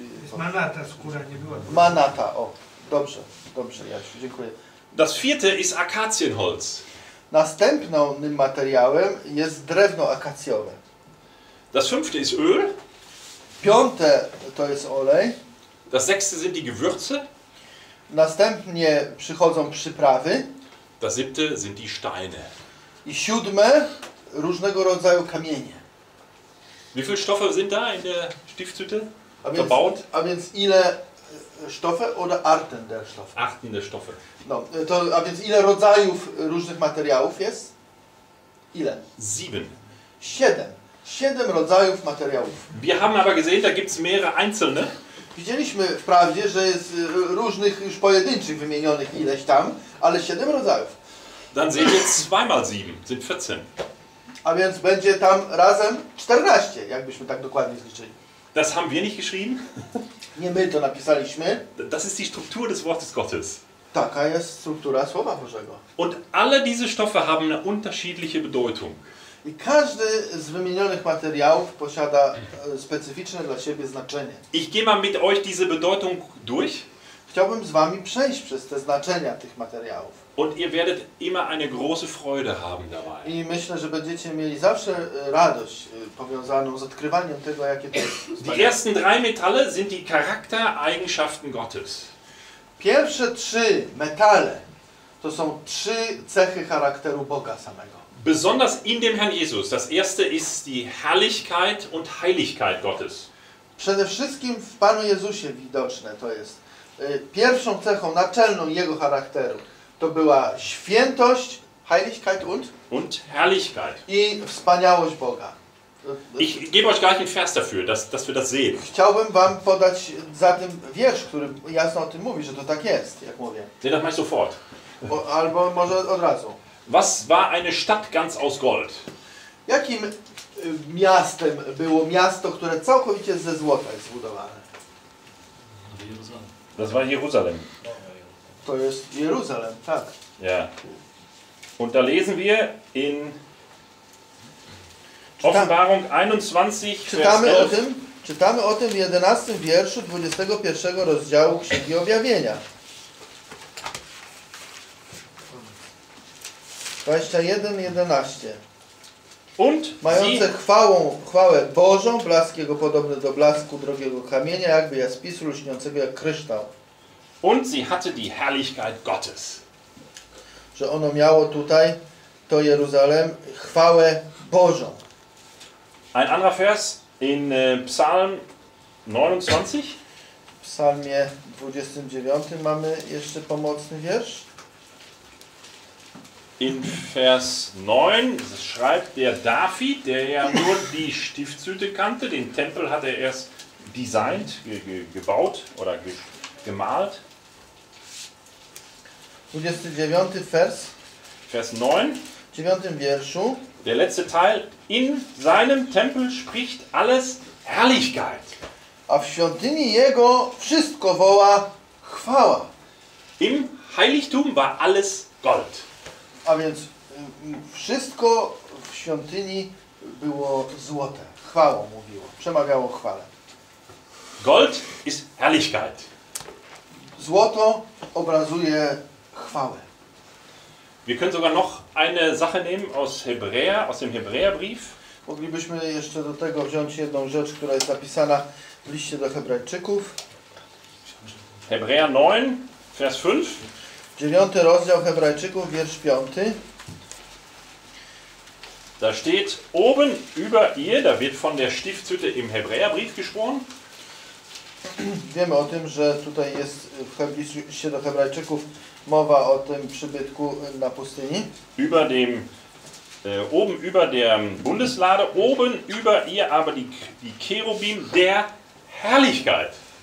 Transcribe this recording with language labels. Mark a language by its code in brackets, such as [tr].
[pl] jest manata skóra, nie była. Manata, o. Dobrze, dobrze, Jasiu, dziękuję. [de] Das vierte ist Akazienholz. [pl] Następnym materiałem jest drewno akacjowe. [de] Das fünfte ist Öl. [pl] Piąte to jest olej. [de] Das sechste sind die Gewürze. [pl] Następnie przychodzą przyprawy. [de] Das siebte sind die Steine. [pl] I siódme różnego rodzaju kamienie. [de] Wie viele Stoffe sind da in der Stiftshütte verbaut? [pl] A więc ile [de] Stoffe oder Arten der Stoffe? Arten der Stoffe. [pl] No, to, a więc ile rodzajów różnych materiałów jest? Ile? [de] Sieben. [pl] Siedem. Siedem rodzajów materiałów. [de] Wir haben aber gesehen, da gibt's mehrere einzelne. [pl] Widzieliśmy wprawdzie, że jest różnych już pojedynczych wymienionych ileś tam, ale siedem rodzajów. [de] Dann sehen wir zweimal sieben, sind 14. [pl] A więc będzie tam razem 14, jakbyśmy tak dokładnie zliczyli. [de] Das haben wir nicht geschrieben. [pl] Nie my to napisaliśmy. [de] Das ist die Struktur des Wortes Gottes. [pl] Taka jest struktura Słowa Bożego. [de] Und alle diese Stoffe haben eine unterschiedliche Bedeutung. [pl] I każdy z wymienionych materiałów posiada specyficzne dla siebie znaczenie. [de] Ich gehe mal mit euch diese Bedeutung durch. [pl] Chciałbym z wami przejść przez te znaczenia tych materiałów. [de] Und ihr werdet immer eine große Freude haben dabei. [pl] I myślę, że będziecie mieli zawsze radość powiązaną z odkrywaniem tego, jakie to jest. [de] Die ersten drei Metalle sind die Charaktereigenschaften Gottes. [pl] Pierwsze trzy metale to są trzy cechy charakteru Boga samego. [de] Besonders in dem Herrn Jesus. Das erste ist die Herrlichkeit und Heiligkeit Gottes. [pl] Przede wszystkim w Panu Jezusie widoczne to jest. Pierwszą cechą naczelną jego charakteru to była świętość, [de] Heiligkeit und? Und Herrlichkeit. [pl] I wspaniałość Boga. [de] Ich gebe euch gleich ein Vers dafür, dass wir das sehen. [pl] Chciałbym wam podać za tym wiersz, który jasno o tym mówi, że to tak jest, jak mówię. [de] Nee, das mach sofort. [pl] Albo może od razu. [de] Was war eine Stadt ganz aus Gold? [pl] Jakim miastem było miasto, które całkowicie ze złota jest zbudowane? [de] Das war Jerusalem. [pl] To jest Jerusalem, tak. [de] Ja. Und da lesen wir in Offenbarung 21, [pl] czytamy o tym, czytamy o tym w 11 wierszu 21 rozdziału Księgi Objawienia. 21:11. [de] Und [pl] mające chwałę Bożą, blask jego podobny do blasku drogiego kamienia, jakby jaspisu lśniącego jak kryształ. [de] Und sie hatte die Herrlichkeit Gottes. [pl] Że ono miało tutaj, to Jeruzalem, chwałę Bożą. [de] Ein anderer Vers in Psalm 29. [pl] W Psalmie 29 mamy jeszcze pomocny wiersz. [de] In Vers 9 schreibt der David, der ja nur die Stiftshütte kannte, den Tempel hat er erst designt, gebaut oder gemalt. 29. Vers. Vers 9. [pl] 9. Wierszu. [de] Der letzte Teil. In seinem Tempel spricht alles Herrlichkeit. [pl] A w świątyni jego wszystko woła chwała. [de] Im Heiligtum war alles Gold. [pl] A więc wszystko w świątyni było złote. Chwałą mówiło. Przemawiało chwale. [de] Gold ist Herrlichkeit. [pl] Złoto obrazuje chwałę. [de] Wir können sogar noch eine Sache nehmen aus Hebräer, aus dem Hebräerbrief. [pl] Moglibyśmy jeszcze do tego wziąć jedną rzecz, która jest zapisana w liście do Hebrajczyków. [de] Hebräer 9, Vers 5. [pl] 9 rozdział Hebrajczyków, wiersz 5. [de] Da steht oben über ihr, da wird von der Stiftshütte im Hebräerbrief gesprochen. [pl] Wiemy o tym, że tutaj jest w liście do Hebrajczyków mowa o tym przybytku na pustyni. [de] Über dem oben über der Bundeslade, oben über ihr aber die Cherubim der Herrlichkeit.